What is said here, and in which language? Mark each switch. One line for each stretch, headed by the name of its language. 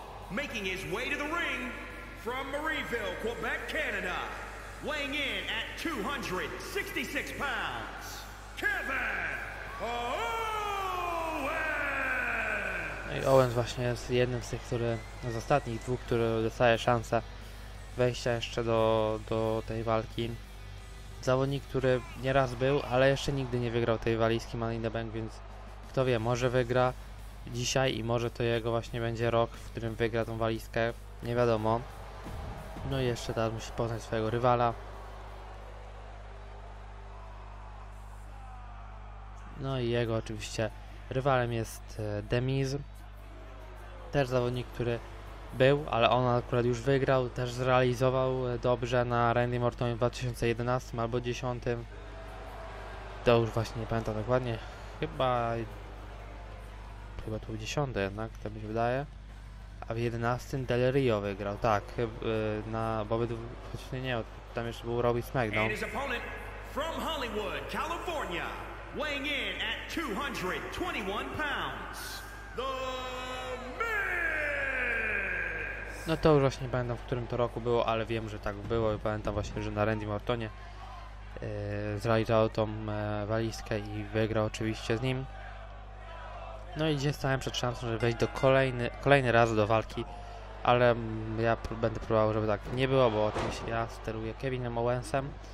English: Making his way to the ring from Marieville, Quebec, Canada, weighing in at 266 pounds, Kevin Owens!
Polish: I Owens właśnie jest jednym z tych, który, z ostatnich dwóch, który dostaje szansę wejścia jeszcze do tej walki. Zawodnik, który nieraz był, ale jeszcze nigdy nie wygrał tej walizki Money in the Bank, więc kto wie, może wygra dzisiaj i może to jego właśnie będzie rok, w którym wygra tą walizkę, nie wiadomo. No i jeszcze teraz musi poznać swojego rywala. No i jego oczywiście rywalem jest The Miz. Też zawodnik, który był, ale on akurat już wygrał, też zrealizował dobrze na Randy Mortonie w 2011 albo 10. To już właśnie nie pamiętam dokładnie, chyba to był 10 jednak, to mi się wydaje. A w 11 Del Rio wygrał, tak, na obydwu, choć nie, tam jeszcze był Robbie Smackdown.
English: His opponent from Hollywood, California, weighing in at 221 pounds, The Miz!
Polish: No to już właśnie nie pamiętam, w którym to roku było, ale wiem, że tak było i pamiętam właśnie, że na Randy Mortonie zrealizował tą walizkę i wygrał oczywiście z nim. No i gdzie stałem przed szansą, żeby wejść do kolejny raz do walki, ale ja będę próbował, żeby tak nie było, bo oczywiście ja steruję Kevinem Owensem.